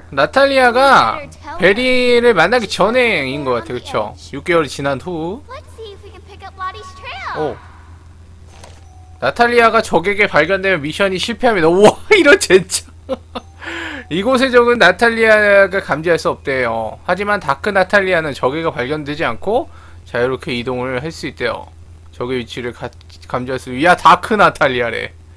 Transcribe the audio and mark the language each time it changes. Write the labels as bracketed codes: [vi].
[ko] 나탈리아가 베리를 만나기 전에인 것 같아, 그쵸? 6개월이 지난 후. [en] Let's see if we can pick up Lottie's trail. [ko] 오. 나탈리아가 적에게 발견되면 미션이 실패합니다. 우와, 이런 젠장. 이곳의 적은 나탈리아가 감지할 수 없대요. 하지만 다크 나탈리아는 적에게 발견되지 않고 자유롭게 이동을 할수 있대요. 적의 위치를 감지할 수, 야, 다크 나탈리아래.